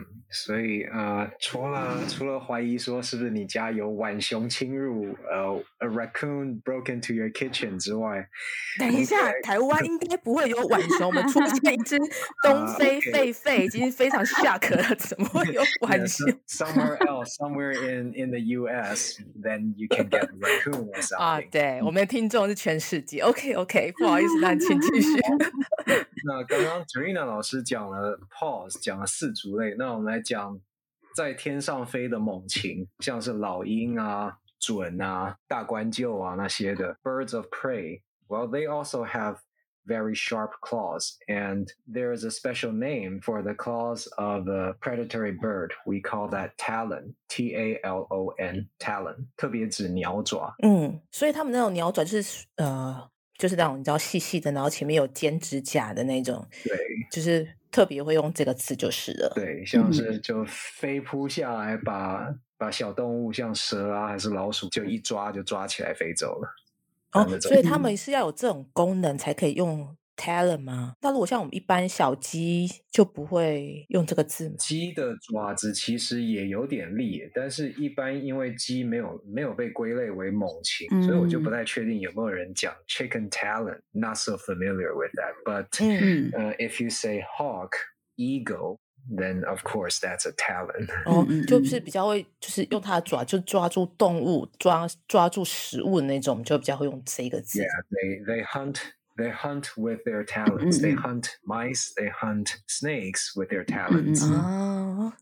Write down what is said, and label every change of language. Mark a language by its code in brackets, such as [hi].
[zh] 所以除了怀疑说是不是你家有浣熊侵入， [en] a raccoon broke into your kitchen [zh] 之外，等一下，台湾应该不会有浣熊，我们出现一只东非狒狒，已经非常吓壳了，怎么会有浣熊？ [en] Yeah, somewhere else, somewhere in the U.S., then you can get a raccoon or something. [zh] 啊，对，我们的听众是全世界。OK, 不好意思，那请继续。那刚刚 Terina 老师讲了 paws， 讲了四足类，那我们来讲在天上飞的猛禽，像是老鹰啊、隼啊、大冠鹫啊那些的 birds of prey。 [en] Well, they also have very sharp claws, and there is a special name for the claws of a predatory bird. We call that talon, T-A-L-O-N, talon, [zh] 特别指鸟爪。嗯，所以他们那种鸟爪就是就是那种你知道细细的，然后前面有尖指甲的那种，对，就是特别会用这个词就是了。对，像是就飞扑下来把、把小动物像蛇啊还是老鼠就一抓就抓起来飞走了。哦，所以他们是要有这种功能才可以用 talon 吗？那如果像我们一般小鸡就不会用这个字吗？鸡的爪子其实也有点利，但是一般因为鸡没有被归类为猛禽，所以我就不太确定有没有人讲 chicken talon， [en] not so familiar with that， but、if you say hawk eagle， then of course that's a talon。 [zh] 哦，就是比较会就是用它的爪就抓住动物 抓住食物的那种，就比较会用这个字。 [en] Yeah， they hunt with their talons. They hunt mice, they hunt snakes with their talons.